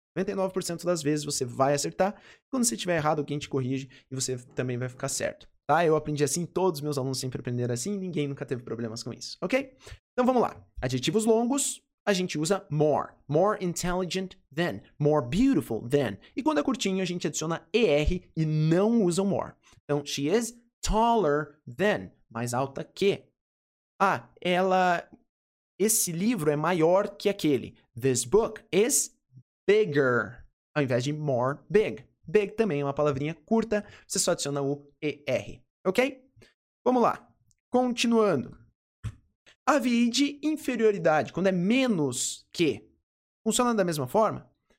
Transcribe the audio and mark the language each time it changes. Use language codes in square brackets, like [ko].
[pt] 99% das vezes você vai acertar. Quando você tiver errado, alguém te corrige e você também vai ficar certo. Tá? Eu aprendi assim, todos meus alunos sempre aprenderam assim, ninguém nunca teve problemas com isso, ok? Então vamos lá. Adjetivos longos, a gente usa more. [en] More intelligent than. More beautiful than. [pt] E quando é curtinho, a gente adiciona ER e não usa o more. [en] Então, she is taller than. [pt] Mais alta que. Ah, ela... esse livro é maior que aquele. [en] This book is bigger. [pt] Ao invés de more big. Big também é uma palavrinha curta, você só adiciona o ER, ok? Vamos lá, continuando. Ravi de inferioridade, quando é menos que, funciona da mesma forma?